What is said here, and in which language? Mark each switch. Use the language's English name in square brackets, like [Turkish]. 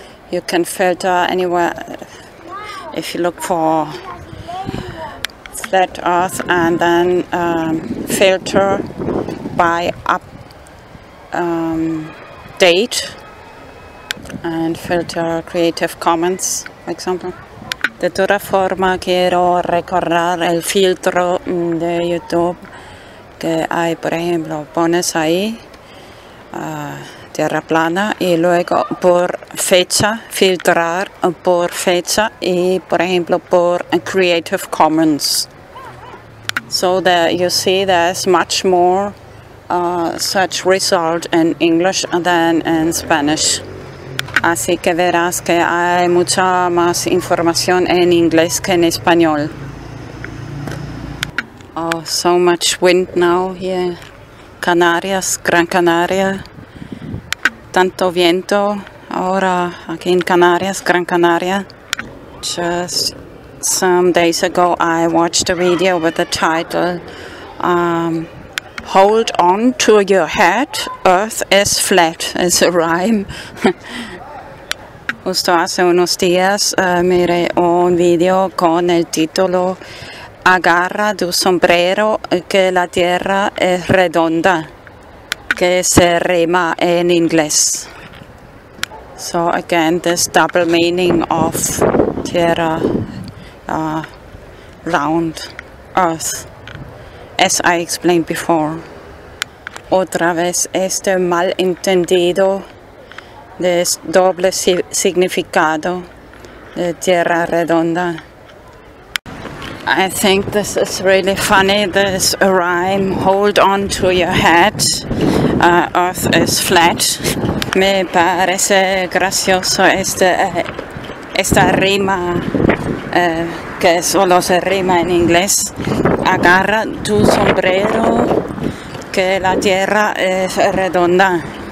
[English] You can filter anywhere if you look for flat earth and then filter by date and filter creative commons, for example. [Spanish] De toda forma quiero recordar el filtro de YouTube que hay, por ejemplo, pones ahí Tierra Plana y luego por fecha, filtrar por fecha y por ejemplo por Creative Commons. [English] So that you see there's much more such result in English than in Spanish. [Spanish] Así que verás que hay mucha más información en inglés que en español. [English] Oh, so much wind now here. Canarias, Gran Canaria. [Spanish] Tanto viento ahora aquí en Canarias, Gran Canaria. [English] Just some days ago I watched a video with the title Hold on to your hat, Earth is flat. It's a rhyme. [Spanish] Justo hace unos días miré un video con el título Agarra tu sombrero que la tierra es redonda, que se rima en inglés. [English] So again, this double meaning of tierra, round, earth, as I explained before. [Spanish] Otra vez este malentendido de doble significado de tierra redonda. [English] I think this is really funny, this rhyme, hold on to your hat, earth is flat. [Spanish] Me parece gracioso esta rima, que solo se rima en inglés. Agarra tu sombrero, que la tierra es redonda.